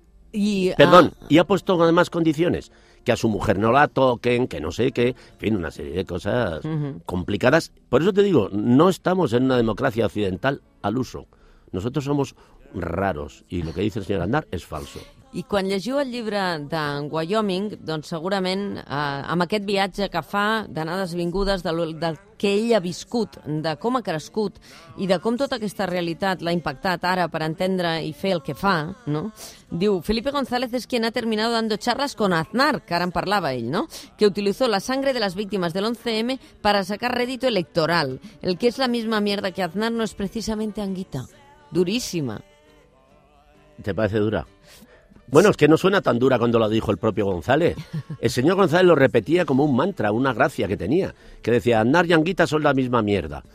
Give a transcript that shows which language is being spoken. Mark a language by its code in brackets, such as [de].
[es] Y ha puesto además condiciones, que a su mujer no la toquen, que no sé qué, en fin, una serie de cosas complicadas. Por eso te digo, no estamos en una democracia occidental al uso. Nosotros somos raros y lo que dice el señor Aznar es falso. [ca] I quan llegiu el llibre d'en Wyoming, doncs segurament amb aquest viatge que fa d'anades vingudes del que ell ha viscut, de com ha crescut i de com tota aquesta realitat l'ha impactat ara per entendre i fer el que fa, no? [es] Diu, Felipe González es quien ha terminado dando charlas con Aznar, [ca] que ara en parlava ell, [es] no? Que utilizó la sangre de las víctimas del 11M para sacar rédito electoral. El que es la misma mierda que Aznar no es precisamente Anguita. Durísima. ¿Te parece dura? Bueno, es que no suena tan dura cuando lo dijo el propio González. El señor González lo repetía como un mantra, una gracia que tenía, que decía, Aznar y Anguita son la misma mierda.